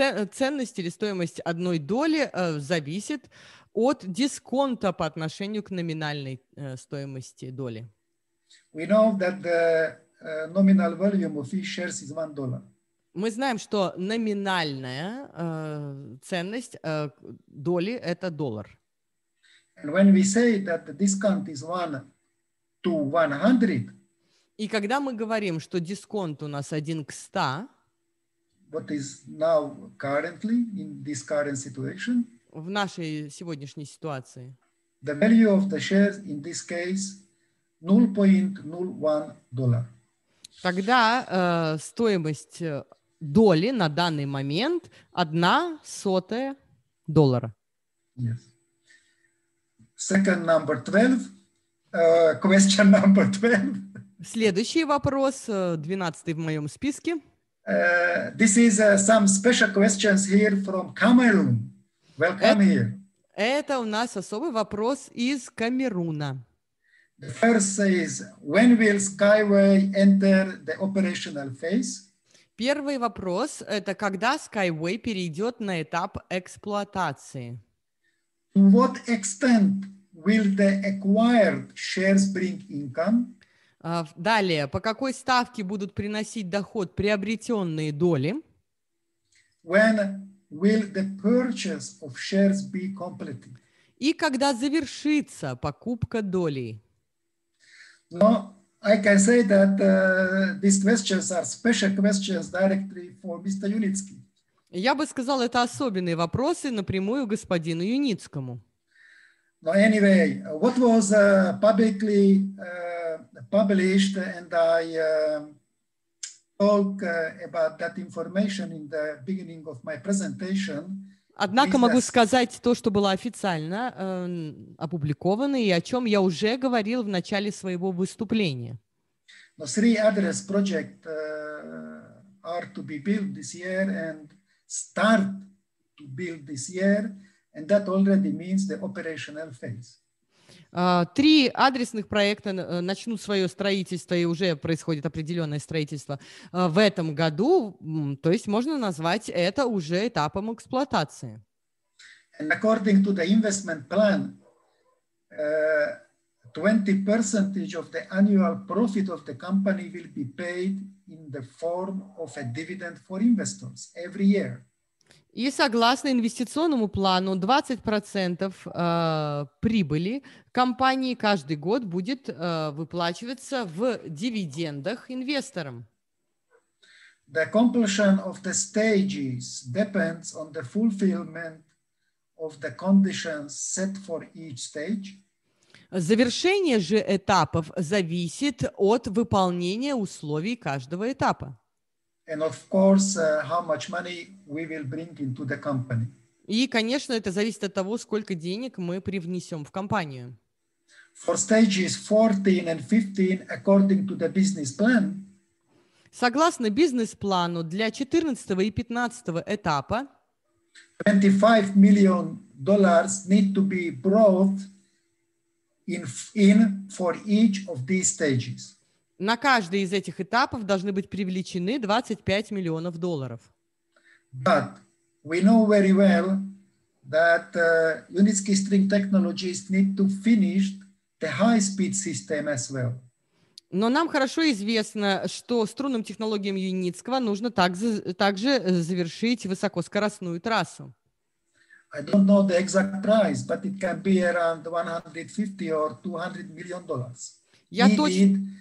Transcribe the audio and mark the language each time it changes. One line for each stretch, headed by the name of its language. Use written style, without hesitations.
Russian: Ценность или стоимость одной доли зависит от дисконта по отношению к номинальной стоимости доли.
English: We know that the nominal value of each shares is $1.
Russian: Мы знаем, что номинальная ценность доли – это доллар.
English: And when we say that the discount is 1 to 100,
Russian: и когда мы говорим, что дисконт у нас 1 к 100,
English: what is now currently in this current situation?
Russian: В нашей сегодняшней ситуации.
English: The value of the shares in this case $0.01.
Russian: Тогда стоимость доли на данный момент 0.01 доллара.
English: Yes. Second number 12. Question number 12.
Russian: Следующий вопрос, 12-й в моем списке.
English: This is some special questions here from Cameroon. Welcome here.
Russian: Это у нас особый вопрос из Камеруна.
English: The first says, when will Skyway enter the operational phase?
Russian: Первый вопрос – это когда Skyway перейдет на этап эксплуатации?
English: To what extent will the acquired shares bring income?
Russian: Далее, по какой ставке будут приносить доход приобретенные доли?
English: When will the purchase of shares be completed?
Russian: И когда завершится покупка долей?
English: No, I can say that these questions are special questions directly for Mr. Yunitsky.
Russian: Я бы сказал, это особенные вопросы напрямую господину Юницкому.
English: No, anyway, what was publicly published, and I talk about that information in the beginning of my presentation.
Russian: Однако могу сказать то, что было официально опубликовано и о чем я уже говорил в начале своего выступления.
English: The three address project are to be built this year and start to build this year, and that already means the operational phase.
Russian: Три адресных проекта начнут свое строительство, и уже происходит определенное строительство в этом году. То есть можно назвать это уже этапом эксплуатации.
English: And according to the investment plan, 20% of the annual profit of the company will be paid in the form of a dividend for investors every year.
Russian: И согласно инвестиционному плану, 20% прибыли компании каждый год будет выплачиваться в дивидендах инвесторам.
English: The completion of the stages depends on the fulfillment of the conditions set for each stage.
Russian: Завершение же этапов зависит от выполнения условий каждого этапа.
English: And of course, how much money we will bring into the company.
Russian: И, конечно, это зависит от того, сколько денег мы привнесем в компанию.
English: For stages 14 and 15, according to the business plan.
Russian: Согласно бизнес-плану, для 14 и 15 этапа
English: $25 million need to be brought in for each of these stages.
Russian: На каждый из этих этапов должны быть привлечены $25 million.
English: But we know very well that Unitsky String Technologies need to finish the high-speed system as well.
Russian: Но нам хорошо известно, что струнным технологиям Юницкого нужно также завершить высокоскоростную трассу.
English: I don't know the exact price, but it can be around $150 or $200 million.